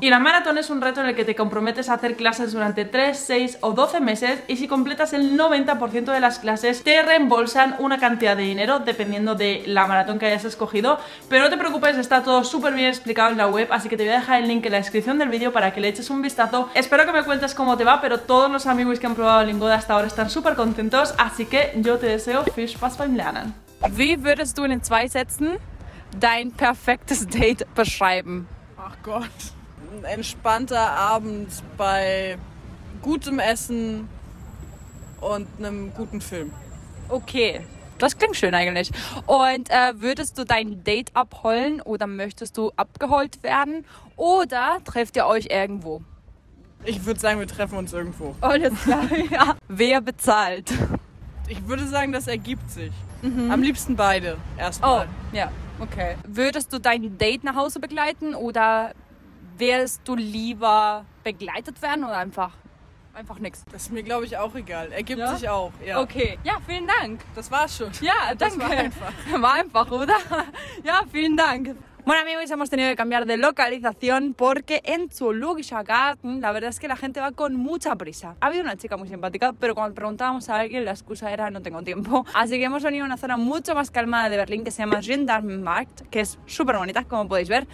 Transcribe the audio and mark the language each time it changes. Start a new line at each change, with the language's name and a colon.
Spanish: Y la maratón es un reto en el que te comprometes a hacer clases durante 3, 6 o 12 meses y si completas el 90% de las clases te reembolsan una cantidad de dinero dependiendo de la maratón que hayas escogido. Pero no te preocupes, está todo súper bien explicado en la web, así que te voy a dejar el link en la descripción del vídeo para que le eches un vistazo. Espero que me cuentes cómo te va, pero todos los amigos que han probado Lingoda hasta ahora están súper contentos, así que yo te deseo
German: viel Spaß beim Lernen. Wie würdest du in zwei Sätzen dein perfektes Date beschreiben? Ach Gott. Ein entspannter Abend bei gutem Essen und einem guten Film. Okay, das klingt schön eigentlich. Und würdest du dein Date abholen oder möchtest du abgeholt werden? Oder trefft ihr euch irgendwo? Ich würde sagen, wir treffen uns irgendwo. Alles klar, ja. Wer bezahlt? Ich würde sagen, das ergibt sich. Mhm. Am liebsten beide erstmal. Oh, ja. Okay. Würdest du dein Date nach Hause begleiten oder wärst du lieber begleitet werden oder einfach nichts? Das ist mir, glaube ich, auch egal. Ergibt sich auch, ja. Okay. Ja, vielen Dank. Das war's schon. Ja, danke. Das war einfach. War einfach, oder? Ja, vielen Dank.
Spanish: Bueno, amigos, hemos tenido que cambiar de localización porque en Zuluk Shagat, la verdad es que la gente va con mucha prisa. Ha habido una chica muy simpática, pero cuando preguntábamos a alguien, la excusa era no tengo tiempo. Así que hemos venido a una zona mucho más calmada de Berlín que se llama Gendarmenmarkt, que es súper bonita, como podéis ver.